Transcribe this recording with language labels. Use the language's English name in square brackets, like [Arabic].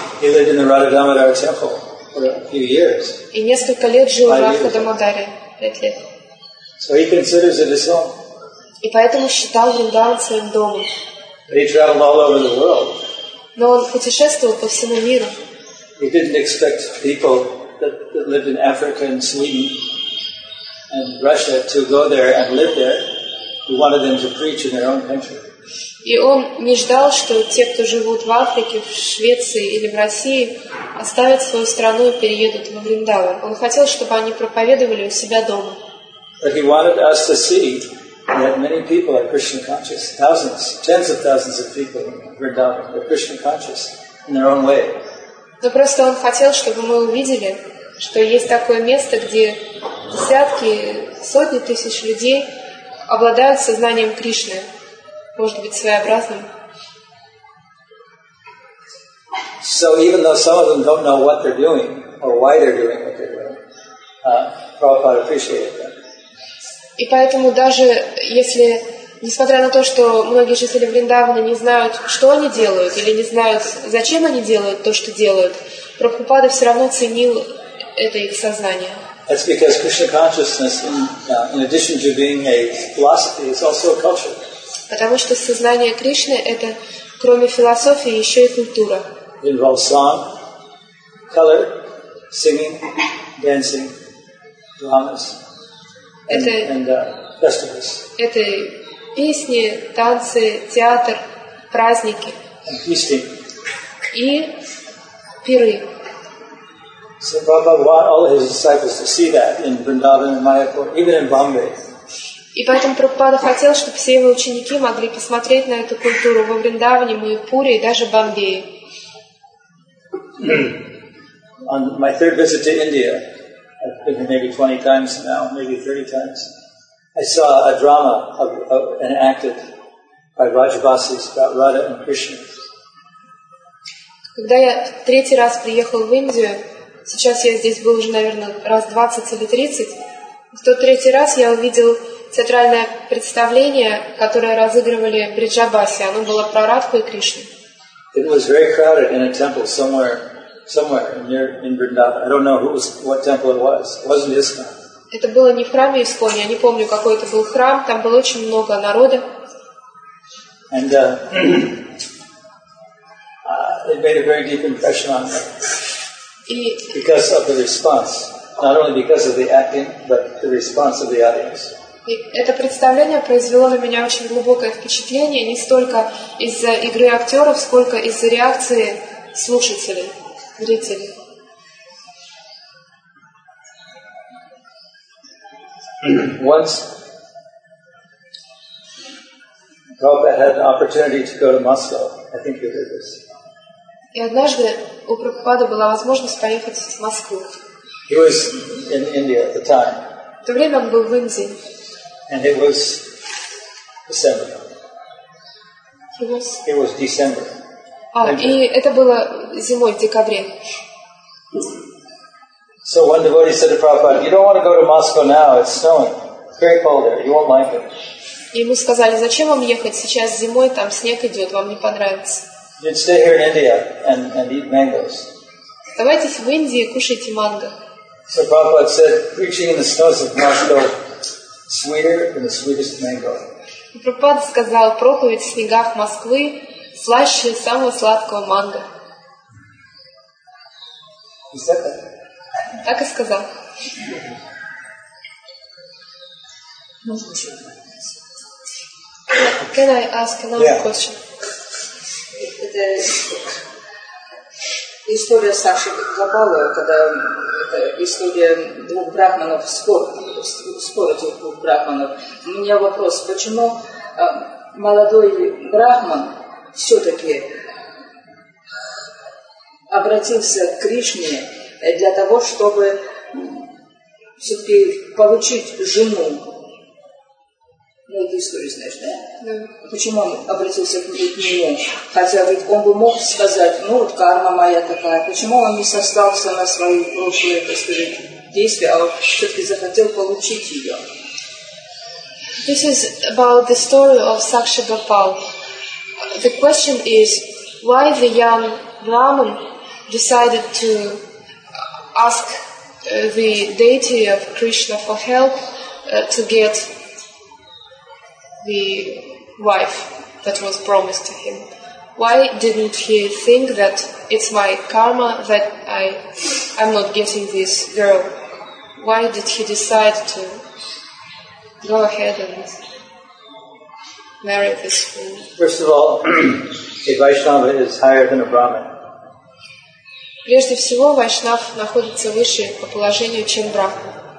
[English] He lived in the Radha-Damodara temple. For a few years. [Russian] И несколько лет жил в Радха-Дамодаре, 5 лет. [English] So he considers it his home. [Russian] И поэтому считал Вриндаван своим домом. [English] But he traveled all over the world. [Russian] Но он путешествовал по всему миру. [English] He didn't expect people that lived in Africa and Sweden and Russia to go there and live there. He wanted them to preach in their own country. [Russian] И он не ждал, что те, кто живут в Африке, в Швеции или в России, оставят свою страну и переедут во Вриндаван. Он хотел, чтобы они проповедовали у себя дома. [English] But he wanted us to see that many people are Krishna conscious. Thousands, tens of thousands of people in Vrindavan are Krishna conscious in their own way. [Russian] Но просто он хотел, чтобы мы увидели, что есть такое место, где десятки, сотни тысяч людей обладают сознанием Кришны. Может быть, своеобразным. [English] So even though some of them don't know what they're doing or why they're doing what they're doing, Prabhupada appreciated them. [Russian] И поэтому даже если, несмотря на то, что многие жители Вриндавана не знают, что они делают или не знают, зачем они делают то, что делают, Прабхупада все равно ценил это их сознание. [English] That's because Krishna consciousness, in addition to being a philosophy, is also a culture. [Russian] Потому что сознание Кришны — это, кроме философии, еще и культура. [English] It involves song, color, singing, dancing, dramas, and festivals. [Russian] Это песни, танцы, театр, праздники. [English] And feasting. [Russian] И пиры. [English] So Prabhupada wanted all his disciples to see that in Vrindavan and Mayapur, even in Bombay. [Russian] И поэтому Прабхупада хотел, чтобы все его ученики могли посмотреть на эту культуру во Вриндаване, Майпуре и даже Бомбее. [English] On my third visit to India, I've been here maybe 20 times now, maybe 30 times, I saw a drama enacted by Rajavasis about Radha and Krishna. [Russian] Когда я третий раз приехал в Индию, сейчас я здесь был уже, наверное, раз 20 или 30, в тот третий раз я увидел театральное представление, которое разыгрывали Бриджабаси, оно было про Радху и Кришну. [English] It was very crowded in a temple somewhere near in Vrindavan. I don't know what temple it was. It wasn't ISKCON. [Russian] Это было не в храме ИСКОН, я не помню, какой это был храм. Там было очень много народа. [English] And it made a very deep impression on me. Because of the response, not only because of the acting, but the response of the audience. [Russian] И это представление произвело на меня очень глубокое впечатление, не столько из-за игры актеров, сколько из-за реакции слушателей, зрителей. [English] Once Prabhupada had an opportunity to go to Moscow. I think you heard this. [Russian] И однажды у Прабхупады была возможность поехать в Москву. [English] He was in India at the time. [Russian] В то время он был в Индии. [English] And it was December. It was December. [Russian] И это было зимой, в декабре. [English] So one devotee said to Prabhupada, "You don't want to go to Moscow now. It's snowing. It's very cold there. You won't like it." [Russian] Ему сказали, зачем вам ехать сейчас зимой? Там снег идет, вам не понравится. [English] You'd stay here in India and eat mangoes. [Russian] Оставайтесь в Индии, кушайте манго. [English] So Prabhupada said, preaching in the snows of Moscow, sweeter than the sweetest mango. [Russian] Прабхупада сказал, проповедь в снегах Москвы слаще самого сладкого манго. [English] He said that. [Russian] Так и сказал. [English] Can I ask another question? [Russian] Это история Саши Гопалы, когда это история двух брахманов, спор этих двух брахманов. У меня вопрос, почему молодой брахман все-таки обратился к Кришне для того, чтобы все-таки получить жену? Ну, эту историю знаешь, да? Да. Почему он обратился к нему? Хотя ведь он бы мог сказать, ну, вот карма моя такая. Почему он не сослался на свои прошлые, так сказать, действия, а все-таки захотел получить ее? [English] This is about the story of Sakshi Gopal. The question is, why the young Brahman decided to ask the deity of Krishna for help to get the wife that was promised to him? Why didn't he think that it's my karma that I'm not getting this girl? Why did he decide to go ahead and marry this woman? First of all, a Vaishnava is higher than a Brahmin. [Russian] Прежде всего, Вайшнав находится выше по положению, чем Брахман.